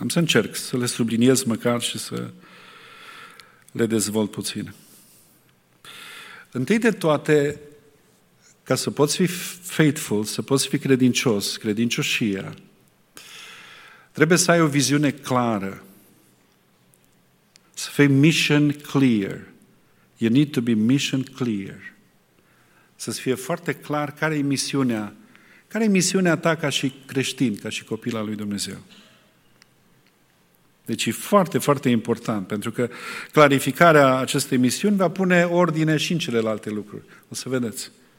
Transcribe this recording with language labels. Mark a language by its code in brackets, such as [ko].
[ro] Am să încerc să le subliniez măcar și să le dezvolt puțin. Întâi de toate, ca să poți fi faithful, să poți fi credincios, credincioșia, trebuie să ai o viziune clară [en] So say mission clear. You need to be mission clear. [ro] Să-ți fie foarte clar care e misiunea, care e misiunea ta ca și creștin, ca și copil al lui Dumnezeu. Deci e foarte, foarte important, pentru că clarificarea acestei misiuni va pune ordine și în celelalte lucruri. O să vedeți.